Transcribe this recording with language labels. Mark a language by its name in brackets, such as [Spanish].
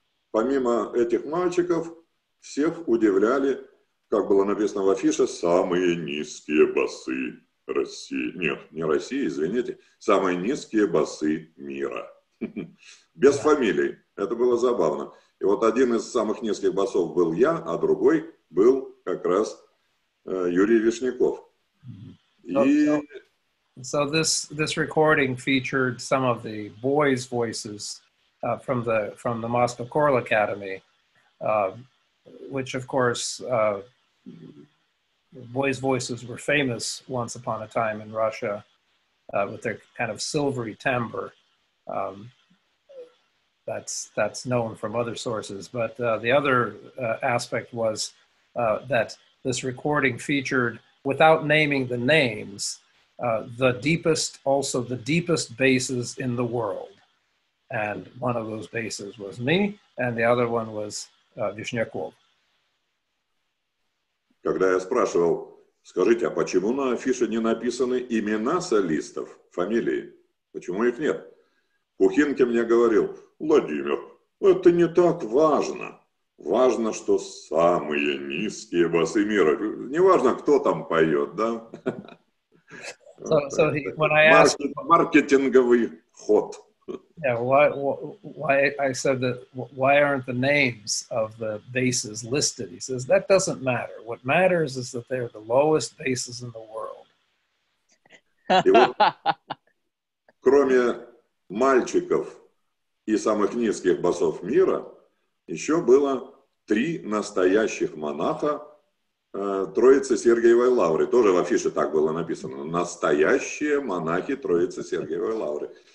[Russian] Помимо этих мальчиков, всех удивляли, как было написано в афише, самые низкие басы России. Нет, не России, извините. Самые низкие басы мира. Без фамилий. Это было забавно. И вот один из самых низких басов был я, а другой был как раз Юрий Вишняков. [English] So this recording featured some of the boys' voices from the Moscow Choral Academy, which of course boys' voices were famous once upon a time in Russia with their kind of silvery timbre. That's known from other sources. But the other aspect was that this recording featured, without naming the names, the deepest, also the deepest basses in the world. And one of those basses was me, and the other one was Вишняков. [Russian] Когда я спрашивал, скажите, а почему на афише не написаны имена солистов, фамилии? Почему их нет? Кухинке мне говорил, Владимир, это не так важно. Важно, что самые низкие басы мира. Не важно, кто там поет, да? [English] So he, when I asked [Russian] marketing ход. [English] Yeah, why I said that, why aren't the names of the basses listed? He says that doesn't matter. What matters is that they're the lowest basses in the world. [Russian] Вот, кроме мальчиков и самых низких басов мира, еще было три настоящих монаха. Троицы Сергиевой Лавры. Тоже в афише так было написано. Настоящие монахи Троицы Сергиевой Лавры.